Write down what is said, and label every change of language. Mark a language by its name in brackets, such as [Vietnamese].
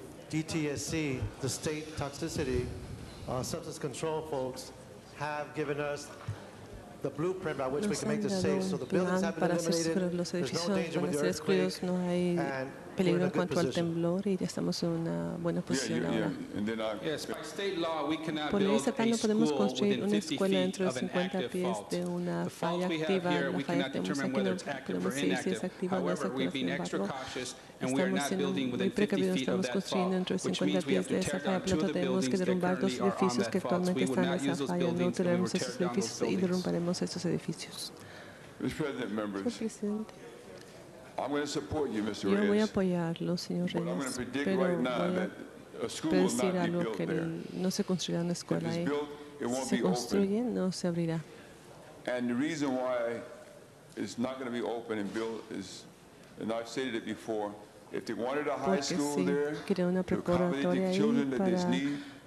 [English] DTSC, the state toxicity substance control folks, have given us the blueprint by which we can make this safe. So the buildings have been eliminated. [Spanish] Los edificios van a ser excluidos. No hay peligro en cuanto al temblor y ya estamos en una buena posición ahora. Por ley estatal no podemos construir una escuela dentro de 50 pies de una falla activa. La falla que tenemos aquí no podemos decir si es activa o no es activa. Sin embargo, estamos muy precavidos, estamos construyendo dentro de 50 pies de esa falla, pero tenemos que derrumbar dos edificios que actualmente están en esa falla. No tiraremos esos edificios y derrumbaremos esos edificios. Señor presidente, [English] I'm going to support you, Mr. [Spanish] Yo voy a apoyarlo, señor Reyes. [English] But I'm going to predict right now that a school will not be built there. [Spanish] No se construirá una escuela ahí. [English] If it's built, it won't be open. [Spanish] No se abrirá. [English] And the reason why it's not going to be open and built is, and I've stated it before, if they wanted a high school there to accommodate the children that they need,